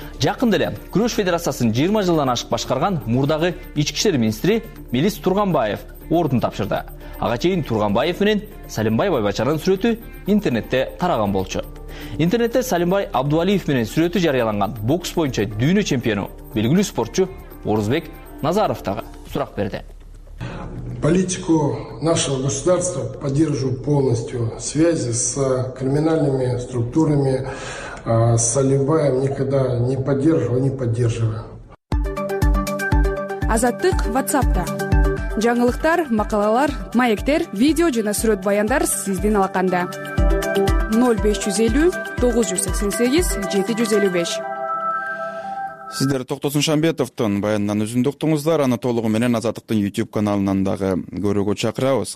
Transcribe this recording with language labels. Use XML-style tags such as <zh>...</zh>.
<ky>Жакында эле Күрөш Федерациясын 20 жылдан ашык башкарган мурдагы ички иштер министри Мелис Турганбаев ордун тапшырды. Ага чейин Турганбаев менен Салимбай Байбачанын сүрөтү интернетте тараган болчу. Интернетте Салимбай Абдувалиев менен сүрөтү жарыяланган бокс боюнча дүйнө чемпиону белгилүү спортчу Орозбек Назаров дагы сурак берди.</ky> <ru>Политику нашего государства поддерживаю полностью. Связи с криминальными структурами Салимбаем никогда не поддерживал, не поддерживаю.</ru> <ky>Азаттык WhatsApp'та. Жаңылыктар, макалалар, маектер, видео жана сүрөт баяндар сиздин алаканда. 0550 988 755. Сиздер Токтосун Шамбетовтун баяндан үзүндү уктуңуздар. Аны толугу менен Азаттыктын YouTube каналынан дагы көрүүгө чакырабыз.</ky>